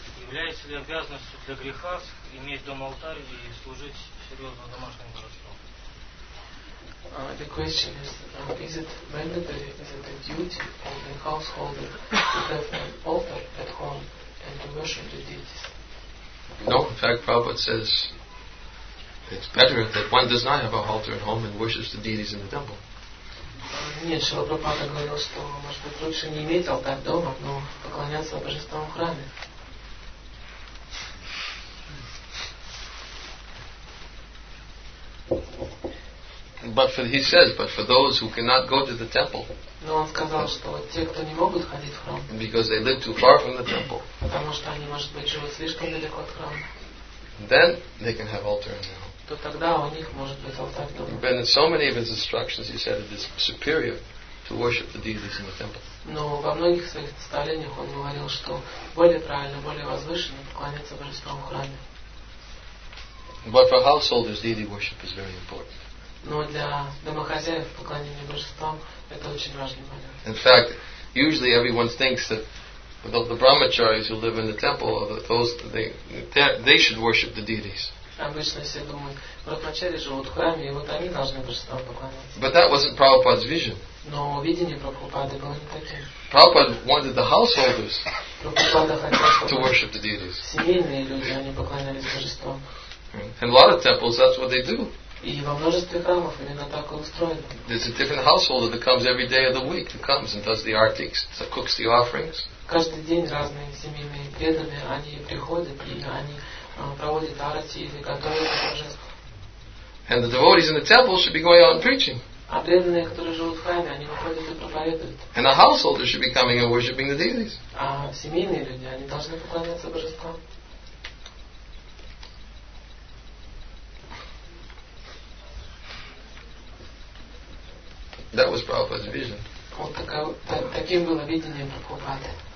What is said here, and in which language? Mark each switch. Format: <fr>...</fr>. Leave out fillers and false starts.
<ru>Является ли обязанностью для греха иметь дом алтарь и служить серьезно домашним божеством?</ru> <en>The question is, is it mandatory, is it a duty of the householder to have an altar at home and to worship the deities? No, in fact, Prabhupada says it's better that one does not have a halter at home and worships the deities in the temple.</en> <ru>Нет, Шрила Прабхупада говорил, что может быть лучше не иметь алтарь дома, но поклоняться божествам в храме.</ru> <en>But for, he says, but for those who cannot go to the temple,</en> <ru>но он сказал, что те, кто не могут ходить в храм,</ru> <en>because they live too far from the temple,</en> <ru>потому что они, может быть, живут слишком далеко от храма,</ru> <en>then they can have altar in their home.</en> <ru>То тогда у них может быть алтарь дома.</ru> <en>But in so many of his instructions, he said it is superior to worship the deities in the temple.</en> <ru>Но во многих своих наставлениях он говорил, что более правильно, более возвышенно поклоняться божествам в храме.</ru> <en>But for householders, deity worship is very important.</en> <ru>Но для домохозяев поклонение божествам это очень важный момент.</ru> <en>In fact, usually everyone thinks that the brahmacharis who live in the temple, those they should worship the deities.</en> <ru>Обычно все думают, брахмачари живут в храме, и вот они должны божествам поклоняться.</ru> <en>But that wasn't Prabhupada's vision.</en> <ru>Но видение Прабхупады было не таким.</ru> <en>Prabhupada wanted the householders to worship the deities.</en> <ru>Семейные люди, они поклонялись божествам.</ru> <en>In a lot of temples, that's what they do.</en> <ru>И во множестве храмов именно так и устроено.</ru> <en>There's a different householder that comes every day of the week, that comes and does the artics, that cooks the offerings.</en> <ru>Каждый день разные семейные преданные, они приходят и они проводят арати или готовят божество.</ru> <en>And the devotees in the temple should be going out and preaching.</en> <ru>А преданные, которые живут в храме, они выходят и проповедуют.</ru> <en>And the householder should be coming and worshiping the deities.</en> <ru>А семейные люди, они должны поклоняться божествам.</ru> <en>That was Prabhupada's vision.</en> <ru>Таким было видение Прабхупады.</ru>